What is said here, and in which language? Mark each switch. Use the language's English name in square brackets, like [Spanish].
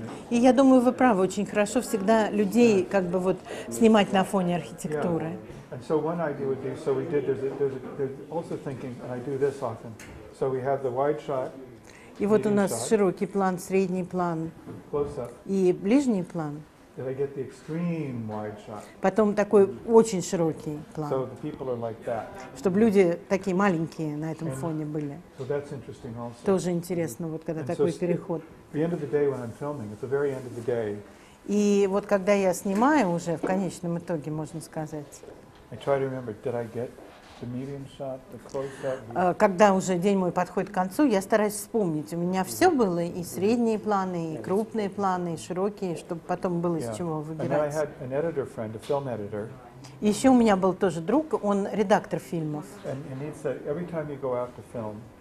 [Russian] И я думаю, вы правы, очень хорошо всегда людей как бы вот снимать на фоне архитектуры. [English] And so one idea would be, so we did, there's also thinking, and I do this often, so we have the wide shot. [Russian] И вот у нас широкий план, средний план и ближний план. [English] Then I get the extreme wide shot. [Russian] Потом такой очень широкий план. [English] So the people are like that. [Russian] Чтобы люди такие маленькие на этом фоне были. [English] So that's interesting also. [Russian] Тоже интересно, вот когда такой переход. [English] The end of the day when I'm filming, at the very end of the day. [Russian] И вот когда я снимаю уже в конечном итоге, можно сказать. [English] I try to remember, did I get the medium shot, the close shot? [Russian] Когда уже день мой подходит к концу, я стараюсь вспомнить. У меня все было, и средние планы, и крупные планы, и широкие, чтобы потом было из чего выбирать. [English] And then I had an editor friend, a film editor. [Russian] Еще у меня был тоже друг, он редактор фильмов. [English] And he said, every time you go out to film.